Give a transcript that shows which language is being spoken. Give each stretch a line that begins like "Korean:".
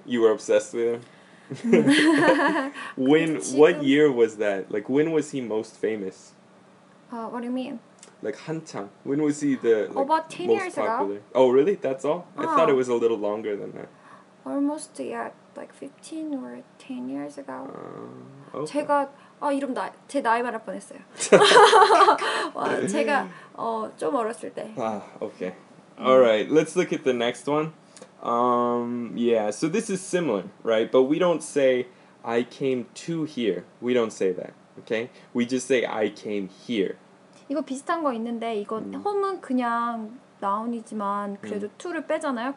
English: You were obsessed with him? When, what year was that? Like, when was he most famous? What do you mean? Like, 한창. When was he the like, about 10 most years popular? Ago. Oh, really? That's all? I thought it was a little longer than that. Almost, yeah, like 15 or 10 years ago. Okay.
Korean: 제가, 이름 나, 제 나이 말할 뻔했어요. 제가 좀 어렸을 때.
English: Okay. All right, let's look at the next one. Yeah, so this is similar, right? But we don't say, I came to here. We don't say that, okay? We just say, I came here.
Korean: 이거 비슷한 거 있는데, 이거 home은 그냥 noun이지만 그래도 to를 빼잖아요.